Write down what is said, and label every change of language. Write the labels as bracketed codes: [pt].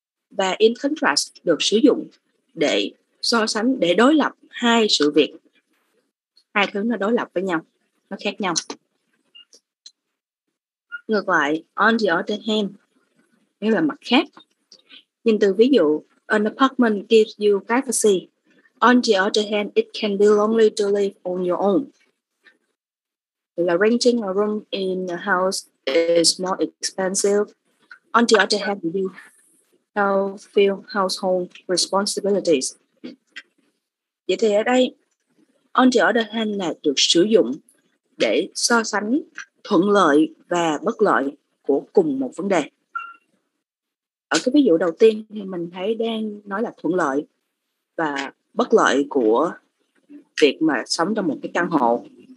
[vi] Và [en] in contrast [vi] được sử dụng để so sánh, để đối lập hai sự việc. Hai thứ nó đối lập với nhau, nó khác nhau. Ngược lại, [en] on the other hand, [vi] nghĩa là mặt khác. Nhìn từ ví dụ, [en] an apartment gives you privacy. On the other hand, it can be lonely to live on your own. Là renting a room in a house is more expensive. On the other hand, you feel household responsibilities. [vi] Vậy thì ở đây, [en] on the other hand [vi] là được sử dụng để so sánh thuận lợi và bất lợi của cùng một vấn đề. Ở cái ví dụ đầu tiên thì mình thấy đang nói là thuận lợi và bất lợi của việc mà sống trong một cái căn hộ.